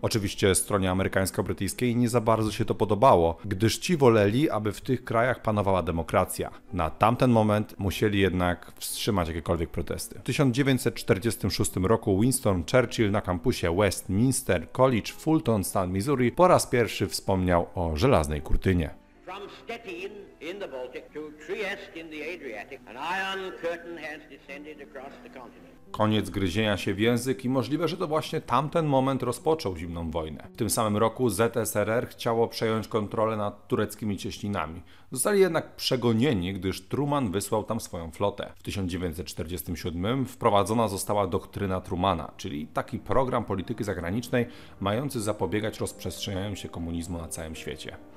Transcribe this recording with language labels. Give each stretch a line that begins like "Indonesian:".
Polish: Oczywiście stronie amerykańsko-brytyjskiej nie za bardzo się to podobało, gdyż ci woleli, aby w tych krajach panowała demokracja. Na tamten moment musieli jednak wstrzymać jakiekolwiek protesty. W 1946 roku Winston Churchill na kampusie Westminster College Fulton, stan Missouri, po raz pierwszy wspomniał o żelaznej kurtynie.
English: From Stettin in the Baltic to Trieste in the Adriatic, an iron curtain has descended across the continent.
Polish: Koniec gryzienia się w język i możliwe, że to właśnie tamten moment rozpoczął zimną wojnę. W tym samym roku ZSRR chciało przejąć kontrolę nad tureckimi cieśninami. Zostali jednak przegonieni, gdyż Truman wysłał tam swoją flotę. W 1947 wprowadzona została doktryna Trumana, czyli taki program polityki zagranicznej mający zapobiegać rozprzestrzenianiu się komunizmu na całym świecie.